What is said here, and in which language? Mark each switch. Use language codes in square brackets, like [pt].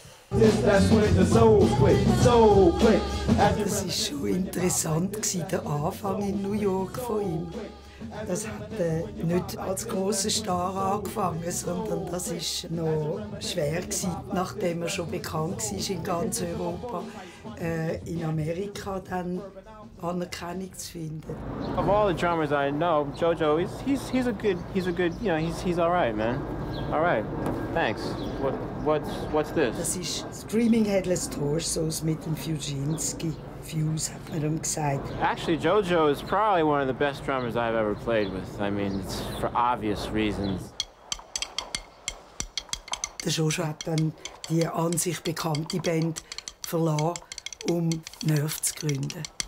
[de] Das war schon interessant, der Anfang in New York von ihm. Das hat nicht als grosser Star angefangen, sondern das war noch schwer, nachdem er schon bekannt war in ganz Europa, in Amerika dann Anerkennung zu finden. [en] Of all the drummers I know, Jojo, he's a good, you know, he's all right, man. All right, thanks. What's this? [de] Das ist Screaming Headless Torsos mit dem Fujinski. Fuse hat man ihm gesagt. [en] Actually, Jojo is probably one of the best drummers I've ever played with. I mean, it's for obvious reasons. [de] Der Jojo hat dann die an sich bekannte Band verlassen, um Nerf zu gründen.